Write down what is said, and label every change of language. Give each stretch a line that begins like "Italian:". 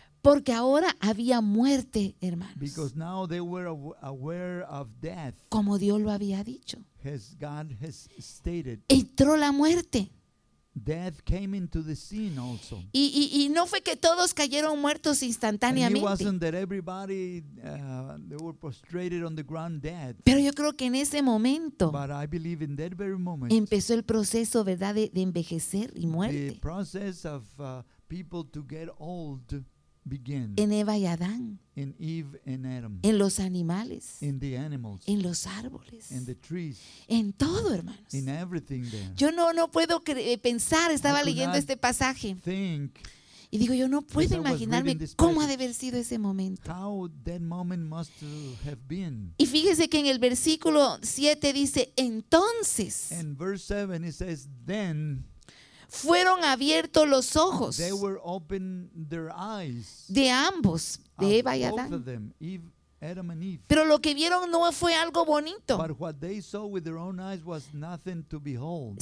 Spanish: Porque ahora había muerte, hermanos.
English: Because now they were aware of death.
Spanish: Como Dios lo había dicho.
English: As God has stated.
Spanish: Entró la muerte.
English: Death came into the scene also.
Spanish: Y no fue que todos cayeron muertos instantáneamente.
English: And it wasn't that everybody they were prostrated on the ground dead.
Spanish: Pero yo creo que en ese momento.
English: But I believe in that very moment.
Spanish: Empezó el proceso, ¿verdad?, de envejecer y muerte.
English: The process of people to get old begin.
Spanish: En Eva y Adán.
English: In Eve and Adam.
Spanish: En los animales.
English: In the animals.
Spanish: En los árboles.
English: In the trees.
Spanish: En todo, hermanos.
English: In everything there.
Spanish: Yo no puedo pensar, estaba leyendo este pasaje.
English: Think.
Spanish: Y digo, yo no puedo imaginarme cómo ha de haber sido ese momento.
English: How that moment must have been.
Spanish: Y fíjese que en el versículo 7 dice, entonces.
English: In verse 7 it says, then.
Spanish: Fueron abiertos los ojos.
English: They were open their eyes.
Spanish: De ambos, de Eva y Adán.
English: Both of them, Eve, Adam and Eve.
Spanish: Pero lo que vieron no fue algo bonito.
English: But what they saw with their own eyes was nothing to behold.